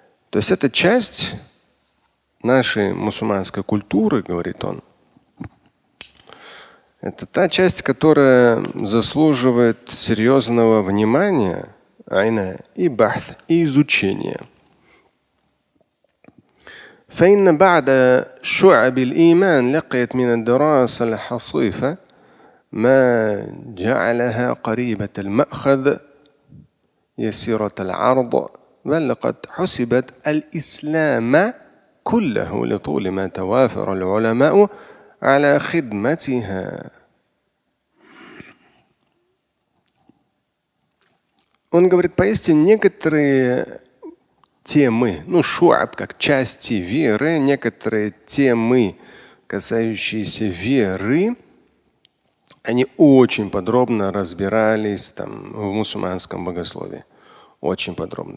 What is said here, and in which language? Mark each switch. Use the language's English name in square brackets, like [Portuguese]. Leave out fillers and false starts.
[Russian] То есть это часть нашей мусульманской культуры, говорит он. Это та часть, которая заслуживает серьезного внимания, айна, и бахт, и изучения. [Arabic] فإن بعد شعب الإيمان لقيت من الدراسة الحصيفة ما جعلها قريبة المأخذ يسيرة العرض ولقد حسبت الإسلام كله لطول ما توافر العلماء على خدمتها. [Russian] Он говорит, поистине, некоторые темы, ну, шуаб, как части веры, некоторые темы, касающиеся веры, они очень подробно разбирались там в мусульманском богословии. Очень подробно.